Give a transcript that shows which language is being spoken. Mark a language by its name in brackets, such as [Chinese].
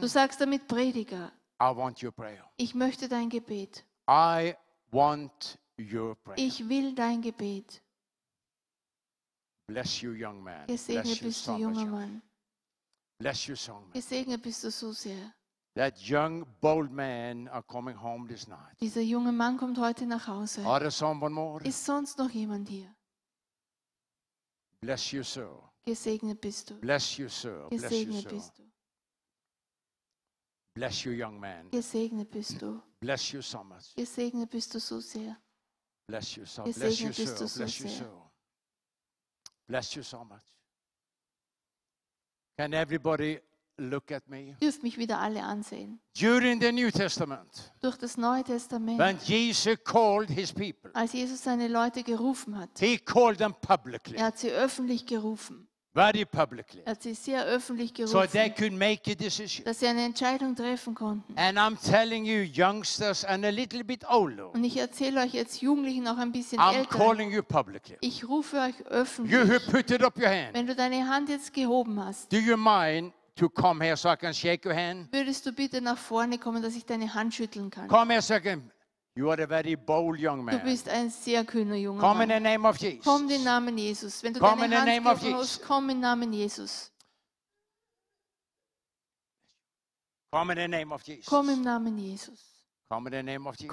[German] Du sagst damit Prediger. [English] I want your prayer. [German] Ich möchte dein Gebet. [English] I want your prayer. [German] Ich will dein Gebet. [English] Bless you, young man. [German] Gesegnet bist du, junger Mann. [English] Bless you, song man. [German] Gesegnet bist du so sehr. [English] That young, bold man are coming home this night. [German] Dieser junge Mann kommt heute nach Hause. [English] Are there someone more? [German] Ist sonst noch jemand hier? [English] Bless you, sir. [German] Gesegnet bist du. [English] Bless you, sir. [German] Gesegnet bist du. [English] Bless you, young man. [German] Gesegnet bist du. [English] Bless you so much. [German] Gesegnet bist du so sehr. [English] Bless you, sir. Bless you, sir. Bless you, sir. Bless you so much. Can everybody look at me? [German] Dürft mich wieder alle ansehen. [English] During the New Testament. [German] Durch das Neue Testament. [English] When Jesus called his people. [German] Als Jesus seine Leute gerufen hat. [English] He called them publicly. [German] Er hat sie öffentlich gerufen. [English] Very publicly. [German] Er hat sie sehr öffentlich gerufen. [English] So they could make a decision. [German] Dass sie eine Entscheidung treffen konnten. [English] And I'm telling you, youngsters and a little bit older. [German] Und ich erzähle euch jetzt Jugendlichen auch ein bisschen älter. [English] I'm calling you publicly. [German] Ich rufe euch öffentlich. [English] You who put it up your hand. [German] Wenn du deine Hand jetzt gehoben hast. [English] Do you mind to come here so I can shake your hand? [German] Würdest du bitte nach vorne kommen, dass ich deine Hand schütteln kann? [English] Come here so I can. You are a very bold young man. [German] Du bist ein sehr kühner junger Mann. [English] Come in the name of Jesus. [German] Komm im Namen Jesus. Wenn du deine Hand gehoben hast, komm im Namen Jesus. [English] Come in the name of Jesus. [German] Komm im Namen Jesus. [English] Come in the name of Jesus.